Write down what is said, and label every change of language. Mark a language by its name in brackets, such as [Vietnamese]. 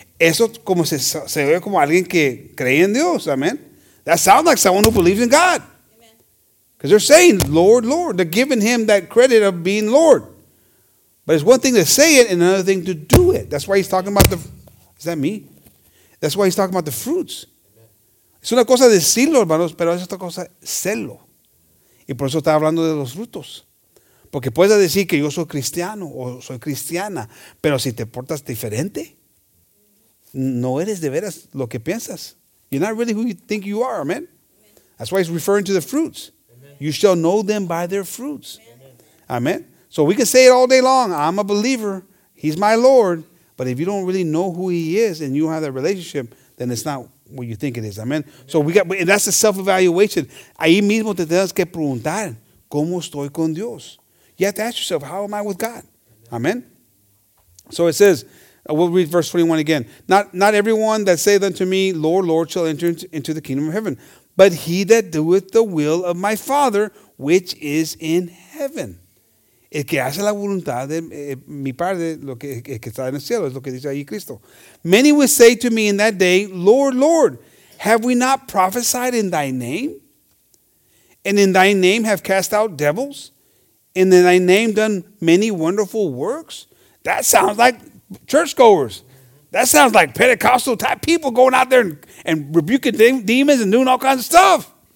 [Spanish] Eso como se ve como alguien que cree en Dios. [English] Amen. That sounds like someone who believes in God. Because they're saying, Lord, Lord. They're giving him that credit of being Lord. But it's one thing to say it and another thing to do it. That's why he's talking about That's why he's talking about the fruits. Amen. [Spanish] Es una cosa decirlo, hermanos, pero es otra cosa serlo. Y por eso está hablando de los frutos. Porque puedes decir que yo soy cristiano o soy cristiana, pero si te portas diferente, no eres de veras lo que piensas. [English] You're not really who you think you are, amen? That's why he's referring to the fruits. You shall know them by their fruits. Amen. Amen. So we can say it all day long. I'm a believer. He's my Lord. But if you don't really know who he is and you have that relationship, then it's not what you think it is. Amen. So we got, and that's the self-evaluation. [Spanish] Ahí mismo te tienes que preguntar, ¿cómo estoy con Dios? [English] You have to ask yourself, how am I with God? Amen. So it says, we'll read verse 21 again. Not everyone that saith unto me, Lord, Lord, shall enter into the kingdom of heaven, but he that doeth the will of my Father, which is in heaven. [Spanish] El que hace la voluntad de mi Padre, lo que, el que está en el cielo, es lo que dice ahí Cristo. [English] Many will say to me in that day, Lord, Lord, have we not prophesied in thy name? And in thy name have cast out devils? And in thy name done many wonderful works? That sounds like churchgoers. That sounds like Pentecostal type people going out there and rebuking demons and doing all kinds of stuff.